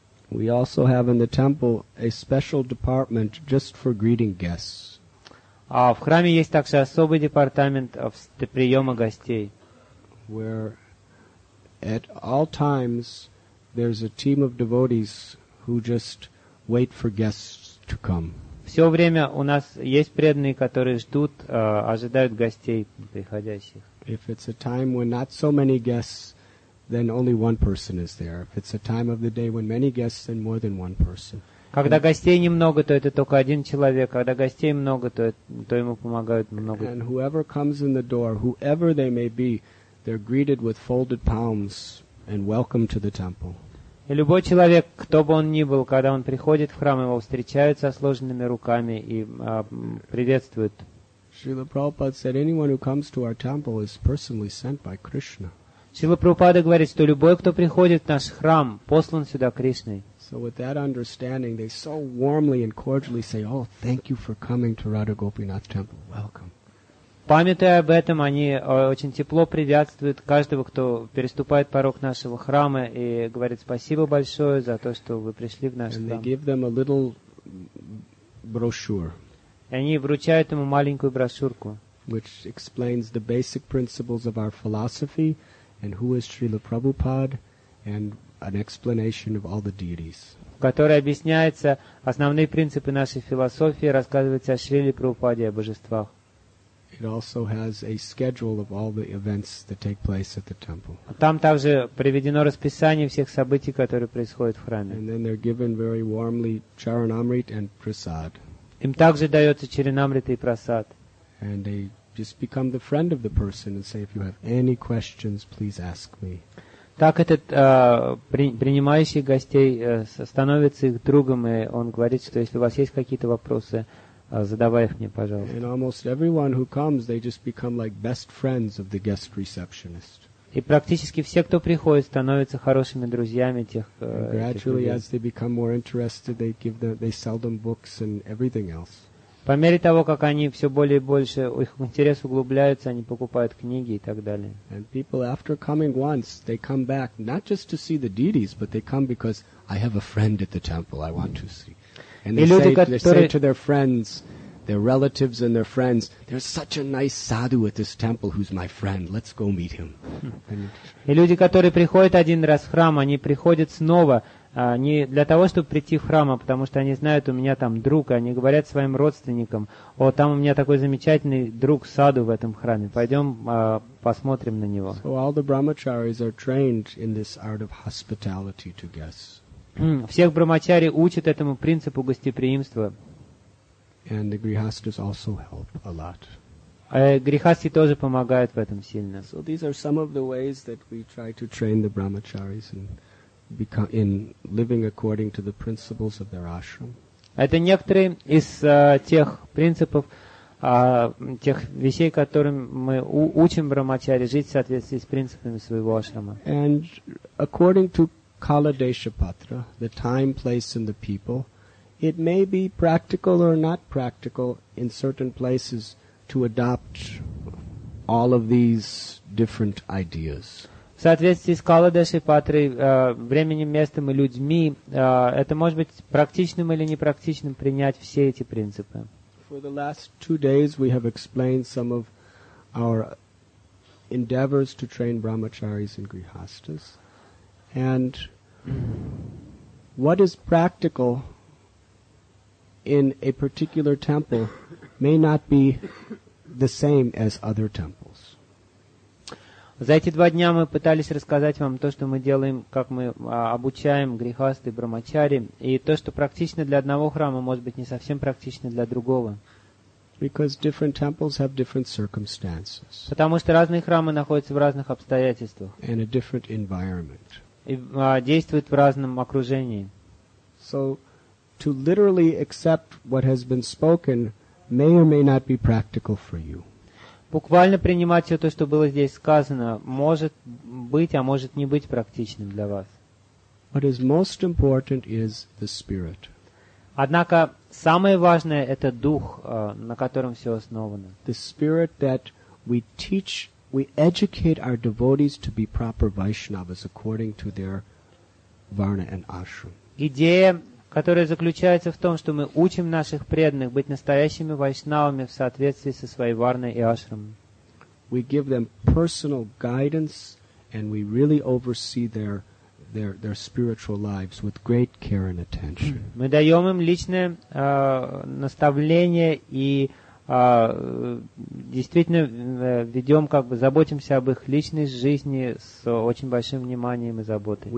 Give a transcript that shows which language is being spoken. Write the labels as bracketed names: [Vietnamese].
[English] We also have in the temple a special department just for greeting guests. [Russian] А в храме есть также особый департамент приема гостей. [English] Where at all times there's a team of devotees who just wait for guests to come. [Russian] Все время у нас есть преданные, которые ждут, ожидают гостей приходящих. [English] If it's a time when not so many guests, then only one person is there. If it's a time of the day when many guests, then more than one person. [Russian] Когда гостей немного, то это только один человек. Когда гостей много, то ему помогают много. [English] And whoever comes in the door, whoever they may be, they're greeted with folded palms and welcome to the temple. [Russian] И любой человек, кто бы он ни был, когда он приходит в храм, его встречают со сложенными руками и приветствуют. [English] Srila Prabhupada said, anyone who comes to our temple is personally sent by Krishna. [Russian] Srila Prabhupada говорит, что любой, кто приходит в наш храм, послан сюда Кришной. [English] So with that understanding, they so warmly and cordially say, "Oh, thank you for coming to Radha Gopinath Temple. Welcome." [Russian] Памятуя об этом, они очень тепло приветствуют каждого, кто переступает порог нашего храма, и говорят спасибо большое за то, что вы пришли в наш храм. [English] And they give them a little brochure. [Russian] И они вручают ему маленькую брошюрку, [English] which explains the basic principles of our philosophy, and who is Srila Prabhupada, and an explanation of all the deities. [Russian] В которой объясняются основные принципы нашей философии, рассказывается о Шриле Прабхупаде, о божествах. [English] It also has a schedule of all the events that take place at the temple. [Russian] Там также приведено расписание всех событий, которые происходят в храме. [English] And then they're given very warmly charanamrit and prasad. [Russian] Им также дается чаранамрита и прасад. [English] And they just become the friend of the person and say, if you have any questions, please ask me. [Russian] Так этот принимающий гостей становится их другом, и он говорит, что если у вас есть какие-то вопросы, задавай их мне, пожалуйста. [English] And almost everyone who comes, they just become like best friends of the guest receptionist. [Russian] И практически все, кто приходит, становятся хорошими друзьями тех людей. [English] Gradually, as they become more interested, they sell them books and everything else. [Russian] По мере того, как они все более и больше, их интерес углубляется, они покупают книги и так далее. [English] And people, after coming once, they come back, not just to see the deities, but they come because I have a friend at the temple I want to see. And they say to their friends, their relatives and their friends, there's such a nice sadhu at this temple who's my friend, let's go meet him. [Russian] И люди, которые приходят один раз в храм, они приходят снова, не для того, чтобы прийти в храм, а потому что они знают, у меня там друг, и они говорят своим родственникам: «О, там у меня такой замечательный друг Саду в этом храме, пойдем посмотрим на него». [English] So all the brahmacharis are trained in this art of hospitality to guests. [Russian] Всех брахмачари учат этому принципу гостеприимства. [English] And the grihasthas also help a lot. [Russian] Грихасхи тоже помогают в этом сильно. [English] So these are some of the ways that we try to train the brahmacharis in living according to the principles of their ashram. [Russian] Это некоторые из тех принципов, тех вещей, которым мы учим брахмачари жить в соответствии с принципами своего ашрама. [English] And according to Kala Deshapatra, the time, place, and the people, it may be practical or not practical in certain places to adopt all of these different ideas. [Russian] В соответствии с Кала Дешипатрой, временем, местом и людьми, это может быть практичным или непрактичным принять все эти принципы. [English] For the last 2 days we have explained some of our endeavors to train brahmacharis and grihasthas. And what is practical in a particular temple may not be the same as other temples. [Russian] За эти 2 дня мы пытались рассказать вам то, что мы делаем, как мы обучаем грихасты, брахмачари, и то, что практично для одного храма, может быть не совсем практично для другого. [English] Because different temples have different circumstances. [Russian] Потому что разные храмы находятся в разных обстоятельствах. [English] And a different environment. [Russian] И действует в разном окружении. [English] So, to literally accept what has been spoken may or may not be practical for you. [Russian] Буквально принимать все то, что было здесь сказано, может быть, а может не быть практичным для вас. [English] What is most important is the spirit. [Russian] Однако самое важное – это дух, на котором все основано. [English] The spirit that we teach. We educate our devotees to be proper Vaishnavas according to their varna and ashram. [Russian] Идея, которая заключается в том, что мы учим наших преданных быть настоящими вайшнавами в соответствии со своей варной и ашрам. [English] We give them personal guidance and we really oversee their spiritual lives with great care and attention. [Russian] Мы даем им личное наставление и действительно ведем, как бы заботимся об их личной жизни с очень большим вниманием и заботой.